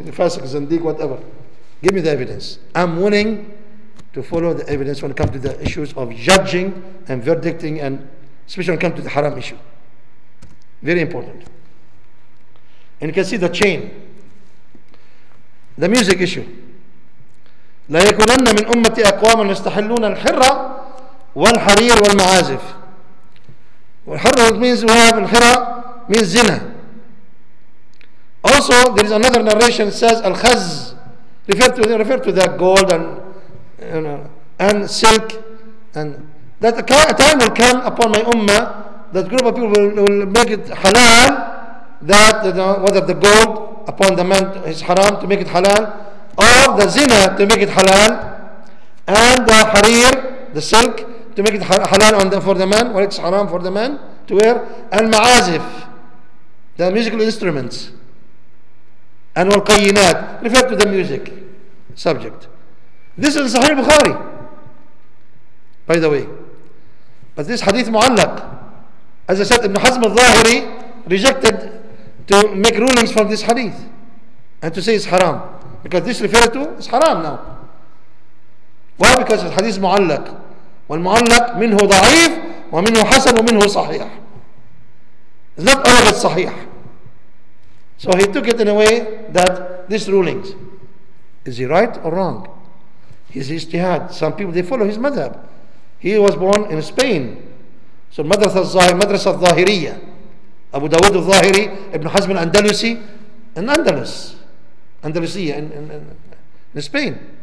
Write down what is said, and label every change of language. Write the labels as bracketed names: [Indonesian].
[English] Fasik, Zandik, whatever. Give me the evidence. I'm willing to follow the evidence when it comes to the issues of judging and verdicting, and especially when it comes to the haram issue. Very important. And you can see the chain. The music issue. [Arabic] لا يكونن من أمتي أقواما يستحلون الحرة والحرير والمعازف [English] Harrud means we have al-hira, means zina. Also, there is another narration says al-khaz, refer to that gold and, you know, and silk, and that a time will come upon my ummah, that group of people will make it halal, that whether the gold upon the man is haram to make it halal, or the zina to make it halal, and the harir, the silk, to make it halal on the, for the man, or it's haram for the man to wear, and ma'azif, the musical instruments, and al-qayyinat, refer to the music subject. This is Sahih Bukhari, by the way. But this hadith mu'allaq, as I said, Ibn Hazm al-Zahiri rejected to make rulings from this hadith and to say it's haram, because this referred to is haram now. Why? Because the hadith mu'allaq. [Arabic] والمعلق منه ضعيف ومنه حسن ومنه صحيح. [English] That all of it صحيح. So he took it in a way that this rulings, is he right or wrong? His ijtihad. Some people, they follow his madhab. He was born in Spain. So Madrasa al-Zahiriya, Abu Dawud al-Zahiri, Ibn Hazm al-Andalusi, in Andalus, Andalusia in Spain.